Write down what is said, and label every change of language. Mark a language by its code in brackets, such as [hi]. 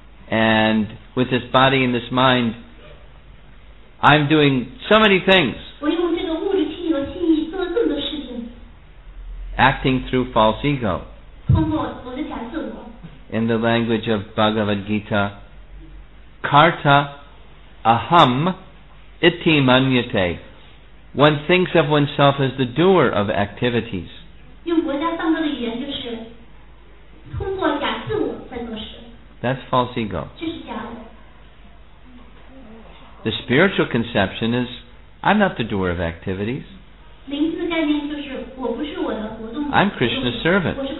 [en] And with this body and this mind,I'm doing so many things. [zh] 我用这个物质体和心意做了这么多事情。 [en] Acting through false ego. [zh] 通过我的假自我。 [en] In the language of Bhagavad Gita, [sa] karta aham iti manyate. [en] One thinks of oneself as the doer of activities. [zh] 用国家藏歌的语言就是通过假自我在做事。 [en] That's false ego. [zh] 这是假我。 [en] The spiritual conception is, I'm not the doer of activities. I'm Krishna's servant.